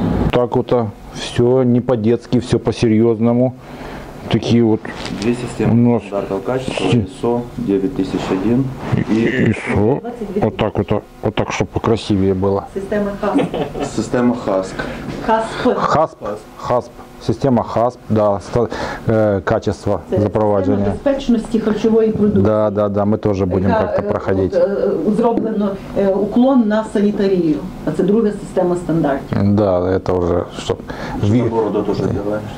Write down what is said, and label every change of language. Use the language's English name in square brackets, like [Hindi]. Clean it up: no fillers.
[Russian] Так вот, а все не по-детски, все по-серьезному. Такие вот две системы стандартного качества, ISO 9001 и ISO. Вот так вот, вот так, чтобы покрасивее было. Система HASP. Система HASP. HASP. HASP. Система HASP, да, качество запроваджения. Система безопасности харчевой продукции. Да, да, да, мы тоже будем как-то проходить. [Ukrainian] Зроблено уклон на санитарию. [Russian] А это другая система стандартов. Да, это уже, чтоб... На бороду тоже делаешь.